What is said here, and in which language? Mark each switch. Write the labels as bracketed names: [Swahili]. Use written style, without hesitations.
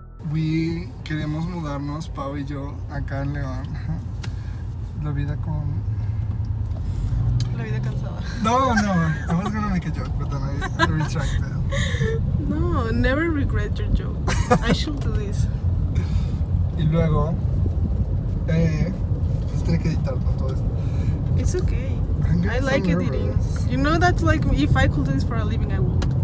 [Spanish] We queremos mudarnos, Pau y yo, acá en León. La vida con la vida cansada. [English] No, I was gonna make a joke, but then I retracted. No, never regret your joke. I should do this. [Spanish] Y luego, pues tiene que editar con todo esto. [English] It's okay. I like editing. Nervous. You know, that's like, if I could do this for a living, I would.